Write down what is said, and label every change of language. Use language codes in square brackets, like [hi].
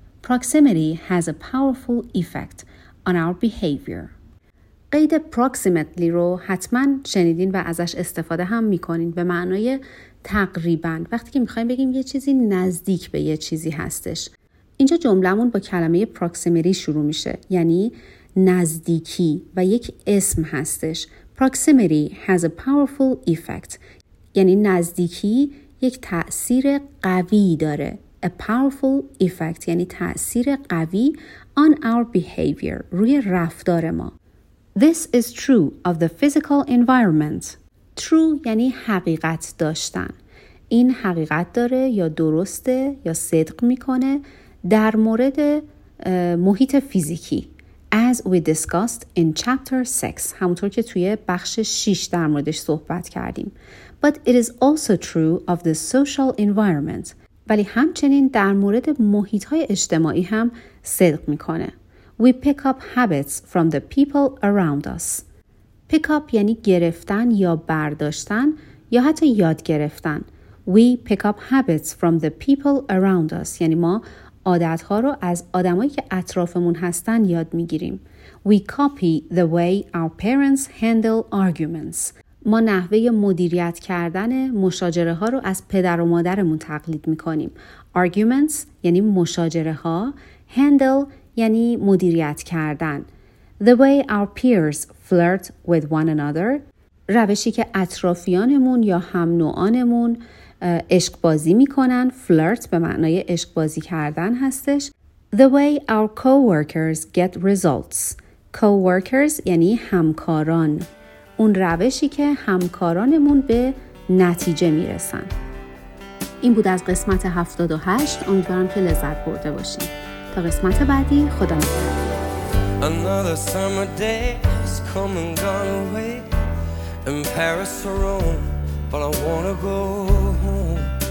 [en] Proximity has a powerful effect on our behavior. [fa] قید proximately رو حتما شنیدین و ازش استفاده هم میکنین به معنای تقریبا، وقتی که میخواییم بگیم یه چیزی نزدیک به یه چیزی هستش. اینجا جملمون با کلمه proximity شروع میشه، یعنی نزدیکی و یک اسم هستش. [en] Proximity has a powerful effect [fa] یعنی نزدیکی یک تأثیر قوی داره. [en] A powerful effect [fa] یعنی تأثیر قوی [en] on our behavior [fa] روی رفتار ما. [en] This is true of the physical environment. True [fa] یعنی حقیقت داشتن. این حقیقت داره یا درسته یا صدق میکنه در مورد محیط فیزیکی. [en] As we discussed in chapter 6. [fa] همونطور که توی بخش 6 در موردش صحبت کردیم. [en] But it is also true of the social environment. [fa] ولی همچنین در مورد محیط‌های اجتماعی هم صدق می‌کنه. [en] We pick up habits from the people around us. [fa] Pick up یعنی گرفتن یا برداشتن یا حتی یاد گرفتن. [en] We pick up habits from the people around us. [fa] یعنی ما عادت‌ها رو از آدمایی که اطرافمون هستن یاد می‌گیریم. [en] We copy the way our parents handle arguments. [fa] ما نحوه مدیریت کردن مشاجره ها رو از پدر و مادرمون تقلید می‌کنیم. Arguments یعنی مشاجره ها، handle یعنی مدیریت کردن. [en] The way our peers flirt with one another. [fa] روشی که اطرافیانمون یا هم نوعانمون عشق بازی میکنن، flirt به معنای عشق بازی کردن هستش. [en] The way our coworkers get results. Coworkers [fa] یعنی همکاران. اون روشی که همکارانمون به نتیجه میرسن. این بود از قسمت 78. امیدوارم که لذت برده باشین. تا قسمت بعدی، خدا نگهدار. [en] Another summer day has come and gone away in Paris or Rome, but I wanna go home.